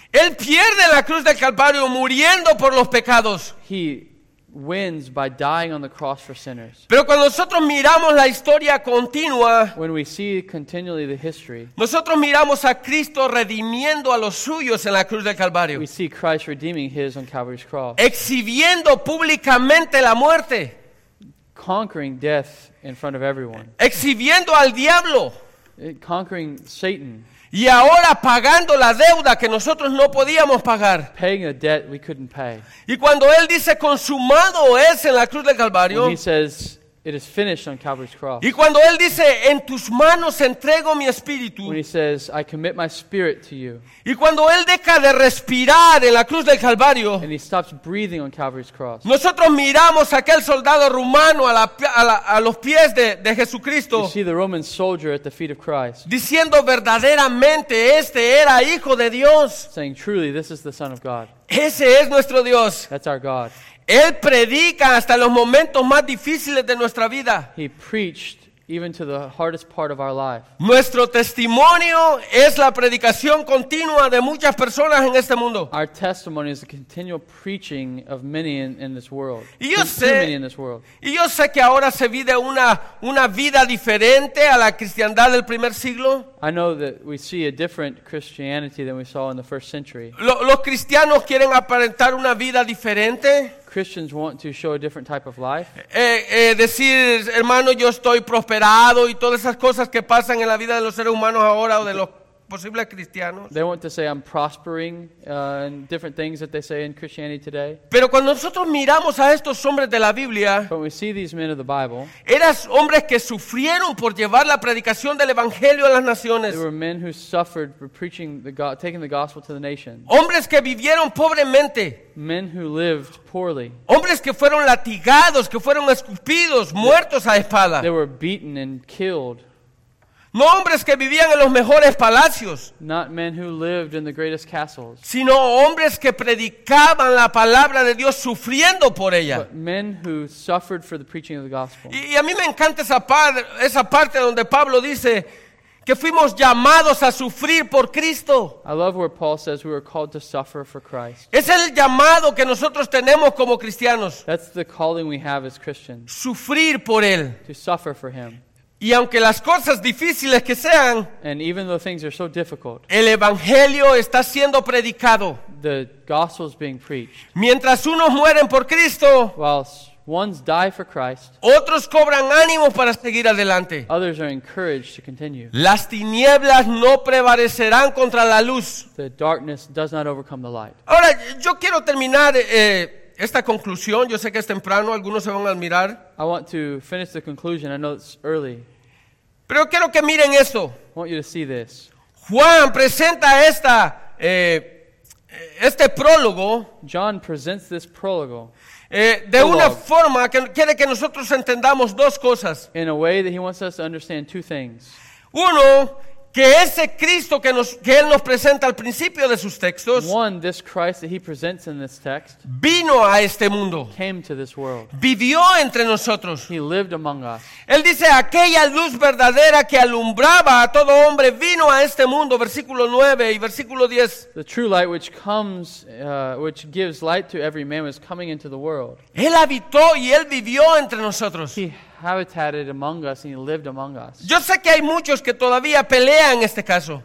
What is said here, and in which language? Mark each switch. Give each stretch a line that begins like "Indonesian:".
Spanish: Él pierde la cruz del Calvario muriendo por los pecados.
English: He wins by dying on the cross for sinners.
Spanish: Pero cuando nosotros miramos la historia continua,
English: when we see continually the history,
Spanish: nosotros miramos a Cristo redimiendo a los suyos en la cruz del Calvario.
English: We see Christ redeeming his on Calvary's cross.
Spanish: Exhibiendo públicamente la muerte.
English: Conquering death in front of everyone.
Spanish: Exhibiendo al diablo.
English: Conquering Satan.
Spanish: Y ahora pagando la deuda que nosotros no podíamos pagar.
English: Paying a debt we couldn't pay.
Spanish: Y cuando Él dice consumado es en la cruz del Calvario.
English: When he says it is finished on Calvary's cross.
Spanish: Y cuando Él dice en tus manos entrego mi espíritu.
English: When he says I commit my spirit to you.
Spanish: Y cuando Él deja de respirar en la cruz del Calvario.
English: And he stops breathing on Calvary's cross.
Spanish: Nosotros miramos a aquel soldado romano a los pies de Jesucristo.
English: You see the Roman soldier at the feet of Christ.
Spanish: Diciendo verdaderamente este era hijo de Dios.
English: Saying truly this is the son of God.
Spanish: Ese es nuestro Dios.
English: That's our God.
Spanish: Él predica hasta los momentos más difíciles de nuestra vida.
English: He preached even to the hardest part of our life.
Spanish: Nuestro testimonio es la predicación continua de muchas personas en este mundo.
English: Our testimony is the continual preaching of many in this world.
Spanish: Y yo sé,
English: too many in this world.
Spanish: Y yo sé que ahora se vive una vida diferente a la cristiandad del primer siglo.
English: I know that we see a different Christianity than we saw in the first century.
Spanish: Los cristianos quieren aparentar una vida diferente.
English: Christians want to show a different type of life.
Spanish: Decir, hermano, yo estoy prosperado y todas esas cosas que pasan en la vida de los seres humanos ahora o de los posibles cristianos.
English: They want to say I'm prospering in different things that they say in Christianity today.
Spanish: Pero cuando nosotros miramos a estos hombres de la Biblia,
English: when we see these men of the Bible,
Spanish: eran hombres que sufrieron por llevar la predicación del evangelio a las naciones.
English: They were men who suffered for preaching the taking the gospel to the nations.
Spanish: Hombres que vivieron pobremente.
English: Men who lived poorly.
Spanish: Hombres que fueron latigados, que fueron escupidos, muertos a espada.
English: They were beaten and killed.
Spanish: No hombres que vivían en los mejores palacios.
English: Not men who lived in the greatest castles.
Spanish: Sino hombres que predicaban la palabra de Dios sufriendo por ella.
English: But men who suffered for the preaching of the gospel.
Spanish: Y a mí me encanta esa parte donde Pablo dice que fuimos llamados a sufrir por Cristo.
English: I love where Paul says we were called to suffer for Christ.
Spanish: Es el llamado que nosotros tenemos como cristianos.
English: That's the calling we have as Christians.
Spanish: Sufrir por él.
English: To suffer for him.
Spanish: Y aunque las cosas difíciles que sean,
English: and even though things are so difficult,
Spanish: el evangelio está siendo predicado.
English: The gospel is being preached.
Spanish: Mientras unos mueren por Cristo,
English: whilst ones die for Christ,
Spanish: otros cobran ánimo para seguir adelante.
English: Others are encouraged to continue.
Spanish: Las tinieblas no prevalecerán contra la luz.
English: The darkness does not overcome the light.
Spanish: Ahora, yo quiero terminar esta conclusión. Yo sé que es temprano, algunos se van a admirar.
English: I want to finish the conclusion. I know it's early.
Spanish: Pero quiero que miren esto.
English: I want you to see this.
Spanish: Juan presenta esta este prólogo.
English: John presents this prologue.
Spanish: De una forma que quiere que nosotros entendamos dos cosas.
English: In a way that he wants us to understand two things.
Spanish: Uno, que ese Cristo que él nos presenta al principio de sus textos,
English: one, this Christ that he presents in this text,
Spanish: vino a este mundo,
English: came to this world,
Spanish: vivió entre nosotros,
English: he lived among us.
Spanish: Él dice, aquella luz verdadera que alumbraba a todo hombre vino a este mundo, versículo 9 y versículo 10.
English: The true light which comes, which gives light to every man was coming into the world.
Spanish: Él habitó y él vivió entre nosotros.
English: He habitated among us and he lived among us.
Spanish: Yo sé que hay muchos que todavía pelean este caso.